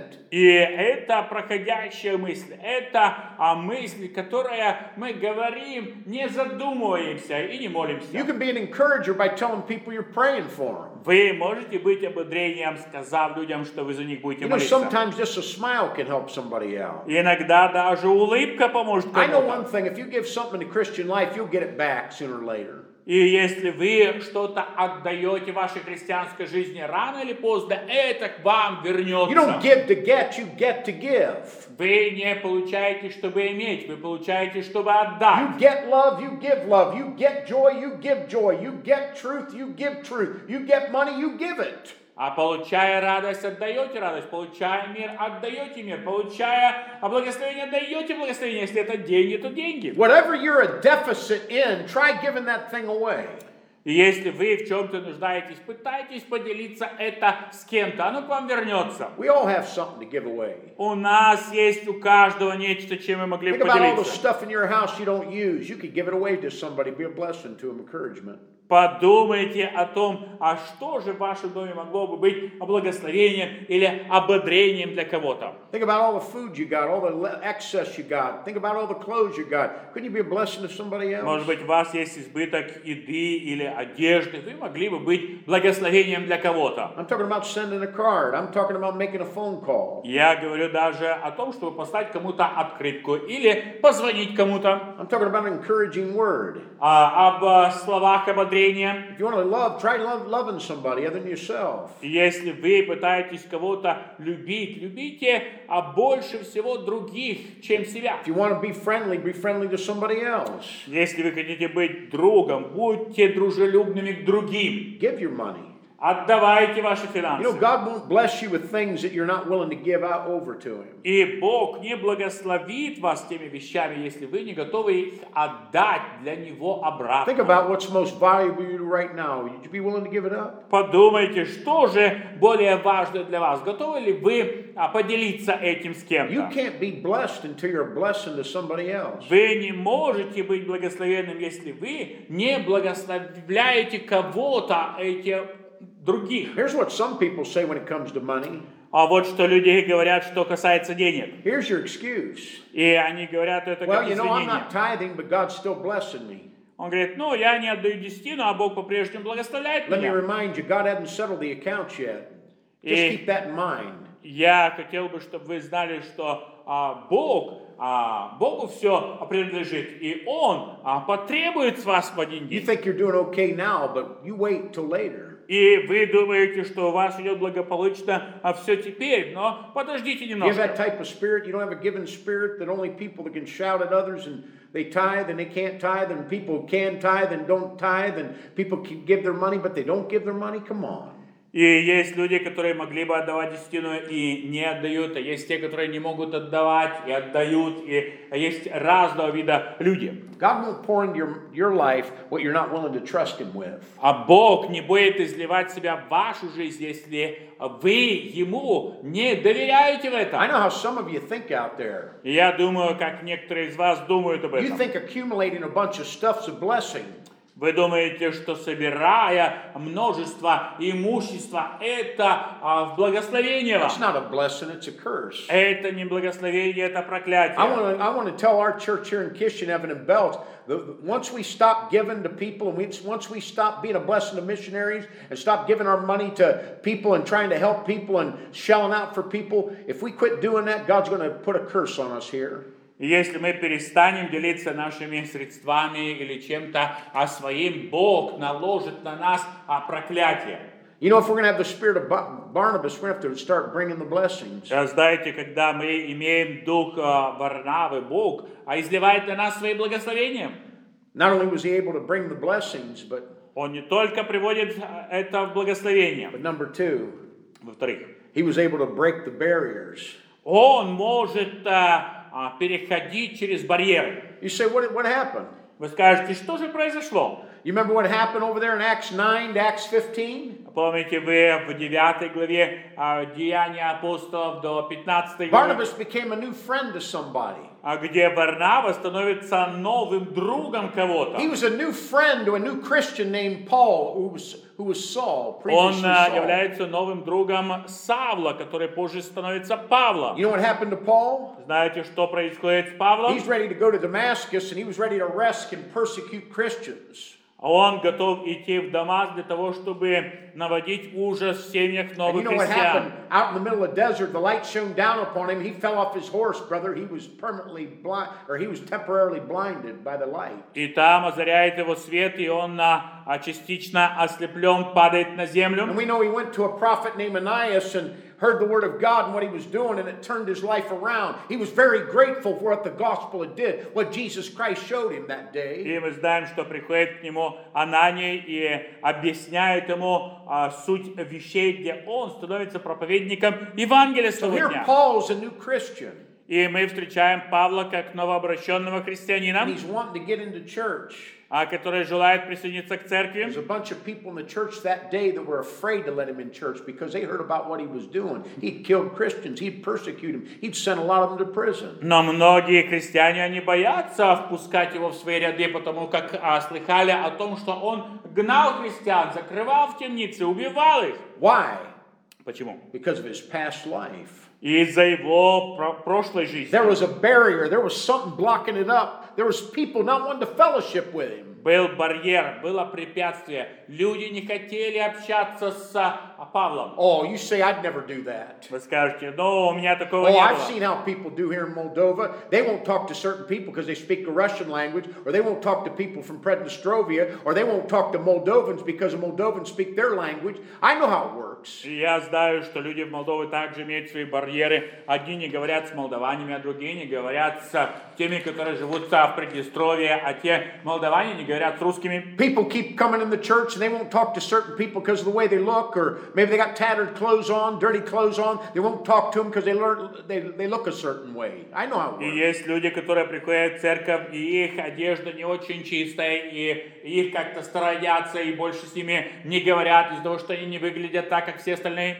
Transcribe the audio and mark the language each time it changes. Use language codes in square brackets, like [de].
[ru] И это проходящая мысль. Это мысль, которую мы говорим, не задумываемся и не молимся. [en] You can be an encourager by telling people you're praying for them. [ru] Вы можете быть ободрением, сказав людям, что вы за них будете молиться. [en] You know, sometimes just a smile can help somebody out. [ru] Иногда даже улыбка поможет кому-то. [en] I know one thing, if you give something to Christian life, you'll get it back sooner or later. [ru] И если вы что-то отдаете вашей христианской жизни рано или поздно, это к вам вернется. [en] You don't give to get, you get to give. [ru] Вы не получаете, чтобы иметь, вы получаете, чтобы отдать. [en] You get love, you give love. You get joy, you give joy. You get truth, you give truth. You get money, you give it. [ru] А получая радость, отдаете радость. Получая мир, отдаете мир. Получая благословение, отдаете благословение. Если это деньги, то деньги. [en] Whatever you're a deficit in, try giving that thing away. [ru] Если вы в чем-то нуждаетесь, пытайтесь поделиться это с кем-то. Оно к вам вернется. [en] We all have something to give away. [ru] У нас есть у каждого нечто, чем мы могли [en] Think [ru] поделиться. [en] Think about all the stuff in your house you don't use. You could give it away to somebody, be a blessing to them, encouragement. [ru] Подумайте о том, а что же в вашем доме могло бы быть благословением или ободрением для кого-то. [en] Think about all the food you got, all the excess you got. Think about all the clothes you got. Couldn't you be a blessing to somebody else? [ru] Может быть, у вас есть избыток еды или одежды. Вы могли бы быть благословением для кого-то. [en] I'm talking about sending a card. I'm talking about making a phone call. [ru] Я говорю даже о том, чтобы послать кому-то открытку или позвонить кому-то. [en] I'm talking about an encouraging word. [ru] Об словах ободрения. [en] If you want to love, try loving somebody other than yourself. [ru] Если вы пытаетесь кого-то любить, любите больше всего других, чем себя. [en] If you want to be friendly to somebody else. [ru] Если вы хотите быть другом, будьте дружелюбными к другим. [en] Give your money. [ru] Отдавайте ваши финансы. [en] You know, God won't bless you with things that you're not willing to give out over to Him. [ru] И Бог не благословит вас теми вещами, если вы не готовы их отдать для Него обратно. [en] Think about what's most valuable to you right now. Would you be willing to give it up? [ru] Подумайте, что же более важное для вас? Готовы ли вы поделиться этим с кем-то? [en] You can't be blessed until you're a blessing to somebody else. [ru] Вы не можете быть благословенным, если вы не благословляете кого-то этим. Других. [en] Here's what some people say when it comes to money. [ru] А вот что люди говорят, что касается денег. [en] Here's your excuse. [ru] И они говорят, это [en] well, you know, I'm not tithing, but God's still blessing me. [ru] Он говорит, ну, я не отдаю десятину, а Бог по-прежнему благословляет [en] Let [ru] меня. [en] Let me remind you, God hadn't settled the accounts yet. Just keep that in mind. [ru] Я хотел бы, чтобы вы знали, что Богу все принадлежит, и Он потребует с вас по деньги. [en] You think you're doing okay now, but you wait till later. [ru] И вы думаете, что у вас идет благополучно, а все теперь, но подождите немножко. [en] You have that type of spirit. You don't have a given spirit that only people that can shout at others and they tithe and they can't tithe and people who can tithe and don't tithe and people can give their money but they don't give their money. Come on. [ru] И есть люди, которые могли бы отдавать десятину и не отдают, а есть те, которые не могут отдавать и отдают, и есть разного вида люди. [en] God won't pour into your life what you're not willing to trust Him with. [ru] А Бог не будет изливать себя в вашу жизнь, если вы Ему не доверяете в этом. [en] I know how some of you think out there. [ru] Я думаю, как некоторые из вас думают об этом. [en] You think accumulating a bunch of stuff's a blessing. [ru] Вы думаете, что собирая множество имущества, это благословение вам? [en] It's not a blessing, it's a curse. [ru] Это не благословение, это проклятие. [en] I want to tell our church here in Kishinev and in Belt, once we stop giving to people, and once we stop being a blessing to missionaries, and stop giving our money to people and trying to help people and shelling out for people, if we quit doing that, God's going to put a curse on us here. [ru] Если мы перестанем делиться нашими средствами или чем-то о своим, Бог наложит на нас проклятие. [en] You know, if we're going to have the spirit of Barnabas, we have to start bringing the blessings. [ru] Знаете, когда мы имеем дух Варнавы, Бог изливает на нас свои благословения. [en] Not only was he able to bring the blessings, but [ru] он не только приводит это в благословение. [en] But number two, [ru] во-вторых, [en] he was able to break the barriers. [ru] Он может переходить через барьеры. [en] You say, what happened? [ru] Вы скажете, что же произошло? [en] You remember what happened over there in Acts 9 to Acts 15? [ru] Помните вы в 9 главе Деяния апостолов до 15 главы? [en] Barnabas became a new friend to somebody. [ru] А где Варнава становится новым другом кого-то? [en] He was a new friend to a new Christian named Paul, who was Saul, previously Saul. [ru] Он является новым другом Савла, который позже становится Павлом. [en] You know what happened to Paul? [ru] Знаете, что происходит с Павлом? [en] He's ready to go to Damascus, and he was ready to arrest and persecute Christians. [ru] Он готов идти в Дамаск для того, чтобы наводить ужас в семьях новых [en] And you know what happened? Out in the middle of the desert, the light shone down upon him. He fell off his horse, brother. He was permanently blind, or he was temporarily blinded by the light. [ru] И там озаряет его свет, и он частично ослеплен, падает на землю. [en] And we know he went to a prophet named Ananias and heard the word of God and what he was doing, and it turned his life around. He was very grateful for what the gospel had did, what Jesus Christ showed him that day. [ru] И мы знаем, что приходит к нему Ананий и объясняет ему суть вещей, где он становится проповедником Евангелия сегодня. [en] So here Paul's a new Christian. [ru] И мы встречаем Павла как новообращенного христианина. [en] And he's wanting to get into church. [ru] Который желает присоединиться к церкви. [en] There's a bunch of people in the church that day that were afraid to let him in church because they heard about what he was doing. He'd killed Christians, he'd persecute him, he'd sent a lot of them to prison. [ru] Но многие христиане, они боятся впускать его в свои ряды, потому как слыхали о том, что он гнал христиан, закрывал в темнице, убивал их. [en] Why? [ru] Почему? [en] Because of his past life. [ru] Из-за его прошлой жизни. [en] There was a barrier, there was something blocking it up. There was people not wanting to fellowship with him. [ru] Был барьер, было препятствие. Люди не хотели общаться с Павлом. [en] Oh, you say I'd never do that. [ru] Вы скажете, но у меня такого не было. [en] I've seen how people do here in Moldova. They won't talk to certain people because they speak a Russian language, or they won't talk to people from Prednestrovia, or they won't talk to Moldovans because the Moldovans speak their language. I know how it works. [ru] Я знаю, что люди в Молдове также имеют свои барьеры. Одни не говорят с молдаванами, а другие не говорят с теми, которые живут в Приднестровье, а те молдаване не говорят с русскими. [en] People keep coming in the church and they won't talk to certain people because of the way they look, or maybe they got tattered clothes on, dirty clothes on. They won't talk to them because they look a certain way. I know how it works. [ru] И есть люди, которые приходят в церковь, и их одежда не очень чистая, и их как-то сторонятся, и больше с ними не говорят из-за того, что они не выглядят так, как все остальные.